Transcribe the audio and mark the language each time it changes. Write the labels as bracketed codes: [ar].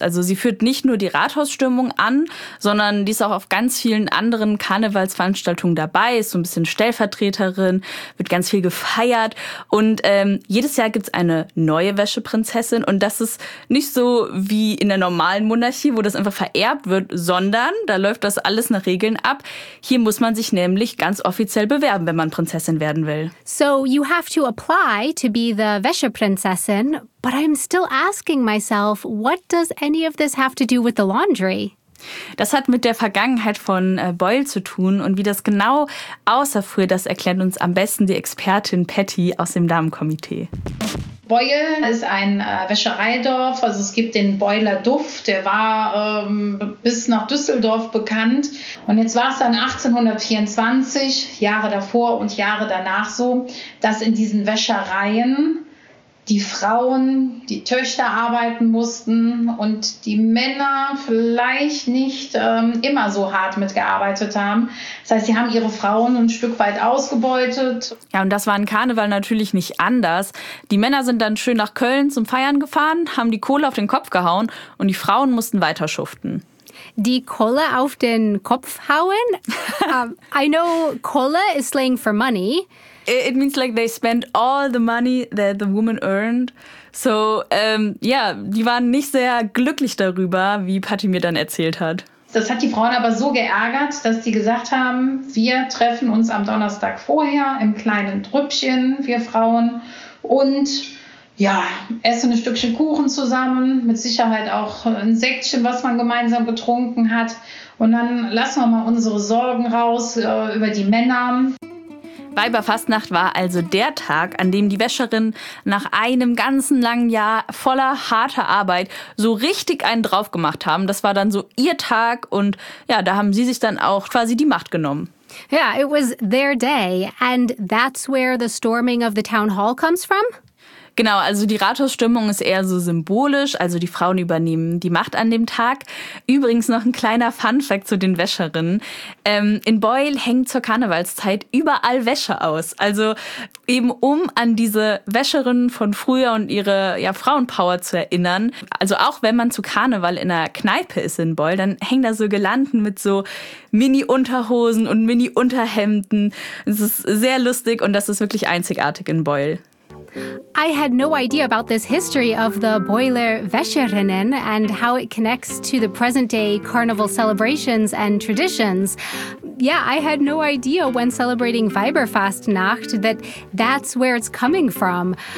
[de] Also sie führt nicht nur die Rathausstürmung an, sondern die ist auch auf ganz vielen anderen Karnevalsveranstaltungen dabei, ist so ein bisschen Stellvertreterin, wird ganz viel gefeiert. Und jedes Jahr gibt es eine neue Wäscheprinzessin. Und das ist nicht so wie in der normalen Monarchie, wo das einfach vererbt wird, sondern da läuft das alles nach Regeln ab. Hier muss man sich nämlich ganz offiziell bewerben, wenn man Prinzessin werden will. [en] So you have to apply to be the Wäscheprinzessin, but I'm still asking myself, what does any of this have to do with the laundry? [de] Das hat mit der Vergangenheit von Beul zu tun und wie das genau aussah früher, das erklärt uns am besten die Expertin Patty aus dem Damenkomitee. Beul ist ein Wäschereidorf, also es gibt den Beuler Duft, der war bis nach Düsseldorf bekannt. Und jetzt war es dann 1824, Jahre davor und Jahre danach so, dass in diesen Wäschereien die Frauen, die Töchter arbeiten mussten und die Männer vielleicht nicht immer so hart mitgearbeitet haben. Das heißt, sie haben ihre Frauen ein Stück weit ausgebeutet. Ja, und das war ein Karneval natürlich nicht anders. Die Männer sind dann schön nach Köln zum Feiern gefahren, haben die Kohle auf den Kopf gehauen und die Frauen mussten weiter schuften. Die Kohle auf den Kopf hauen? [en] I know Kohle is slang for money. It means like they spent all the money that the woman earned. So, yeah, [de] die waren nicht sehr glücklich darüber, wie Patty mir dann erzählt hat. Das hat die Frauen aber so geärgert, dass die gesagt haben, wir treffen uns am Donnerstag vorher im kleinen Trüppchen, wir Frauen, und ja, essen ein Stückchen Kuchen zusammen, mit Sicherheit auch ein Sektchen, was man gemeinsam getrunken hat. Und dann lassen wir mal unsere Sorgen raus über die Männer. Weiberfastnacht war also der Tag, an dem die Wäscherinnen nach einem ganzen langen Jahr voller harter Arbeit so richtig einen drauf gemacht haben. Das war dann so ihr Tag und ja, da haben sie sich dann auch quasi die Macht genommen. [en] Yeah, it was their day and that's where the storming of the town hall comes from? [de] Genau, also die Rathausstimmung ist eher so symbolisch, also die Frauen übernehmen die Macht an dem Tag. Übrigens noch ein kleiner Funfact zu den Wäscherinnen. In Beul hängt zur Karnevalszeit überall Wäsche aus. Also eben um an diese Wäscherinnen von früher und ihre ja, Frauenpower zu erinnern. Also auch wenn man zu Karneval in einer Kneipe ist in Beul, dann hängen da so Girlanden mit so Mini-Unterhosen und Mini-Unterhemden. Es ist sehr lustig und das ist wirklich einzigartig in Beul. [en] I had no idea about this history of the Beuler Wäscherinnen and how it connects to the present day carnival celebrations and traditions. yeah, I had no idea when celebrating Weiberfastnacht that that's where it's coming from.